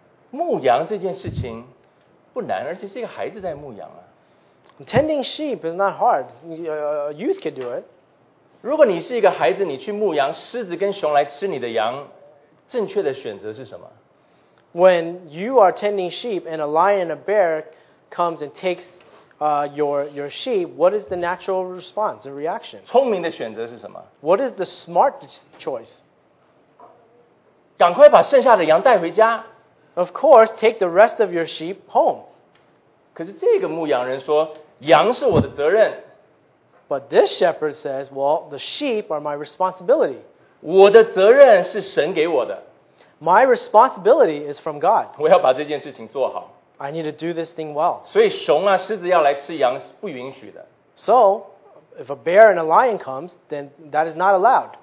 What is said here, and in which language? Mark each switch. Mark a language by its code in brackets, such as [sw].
[zh] 牧羊这件事情不难，而且是一个孩子在牧羊啊。 [en] Tending sheep is not hard. Youth can do it. [zh] 如果你是一个孩子，你去牧羊，狮子跟熊来吃你的羊，正确的选择是什么？ [en] When you are tending sheep and a lion, a bear comes and takes your sheep, what is the natural response, the reaction? [zh] 聪明的选择是什么？ [en] What is the smart choice? [zh] 赶快把剩下的羊带回家。 [en] Of course, take the rest of your sheep home. [zh] 可是这个牧羊人说羊是我的责任。 [en] But this shepherd says, well, the sheep are my responsibility. [zh] 我的责任是神给我的。 [en] My responsibility is from God. [zh] 我要把这件事情做好。 [en] I need to do this thing well. [zh] 所以熊啊，狮子要来吃羊是不允许的。 [en] So, if a bear and a lion comes, then that is not allowed.